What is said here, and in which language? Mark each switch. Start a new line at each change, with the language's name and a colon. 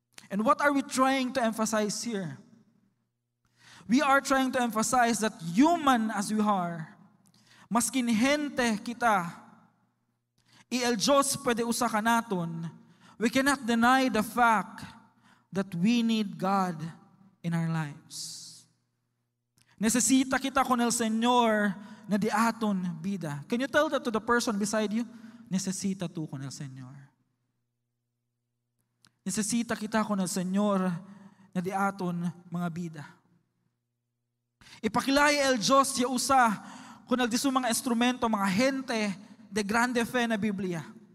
English: And what are we trying to emphasize here? We are trying to emphasize that human as we are,
Chavacano: maskin hente kita, iel Diyos pwede usa kanaton,
English: we cannot deny the fact that we need God in our lives.
Chavacano: Necesita kita con el Señor na di aton bida.
English: Can you tell that to the person beside you?
Chavacano: Necesita tu con el Señor. Necesita kita con el Señor na di aton mga bida. Ipakilay el Diyos ya usa con el diso mga instrumento, mga gente de grande fe na Biblia.